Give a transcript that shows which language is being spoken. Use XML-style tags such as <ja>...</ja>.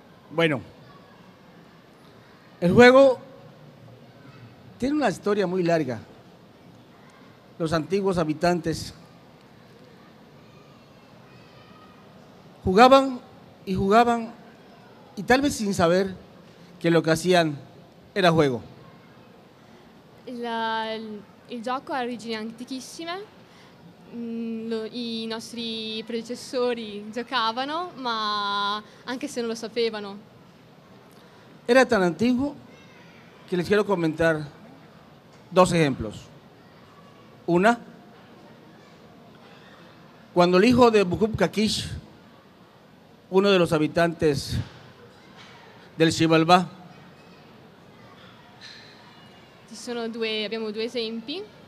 <es>Bueno, el juego tiene una historia muy larga. Los antiguos habitantes jugaban y jugaban, y tal vez sin saber que lo que hacían era juego.</es> <it>Il gioco ha origini antichissime. I nostri predecessori giocavano, ma anche se non lo sapevano.</it> <es>Era tan antiguo que les quiero comentar dos ejemplos. Una, cuando el hijo de Bukub Kakish, uno de los habitantes del Xibalbá.</es> <it>Ci sono due, abbiamo due esempi.</it>